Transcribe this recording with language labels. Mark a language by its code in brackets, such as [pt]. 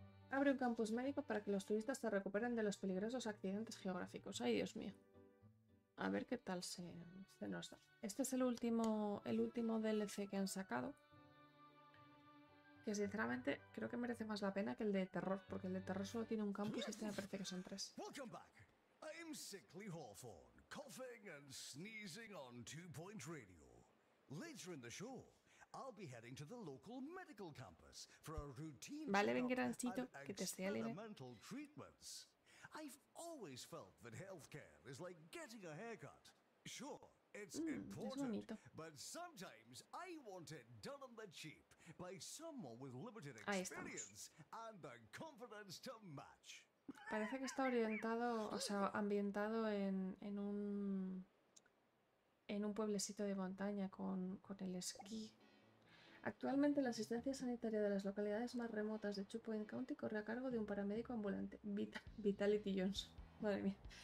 [es] Abre un campus médico para que los turistas se recuperen de los peligrosos accidentes geográficos. Ay, Dios mío. A ver qué tal se nos da. Este es el último DLC que han sacado. Que sinceramente creo que merece más la pena que el de terror. Porque el de terror solo tiene un campus y este me parece que son tres. [en] Welcome back. I'm Sickly Hawthorne, coughing and sneezing on Two Point Radio. Later in the show, I'll be heading to the local medical campus for a routine [es] vale, ven, grancito, que te esté alegre. [en] I've always felt that healthcare is like getting a haircut. Sure, it's important, but sometimes I want it done on the cheap by someone with limited experience and the confidence to match. [es] Parece que está orientado, o sea, ambientado en un pueblecito de montaña con el esquí. Actualmente la asistencia sanitaria de las localidades más remotas de Two Point County corre a cargo de un paramédico ambulante, Vitality Jones. Madre mía.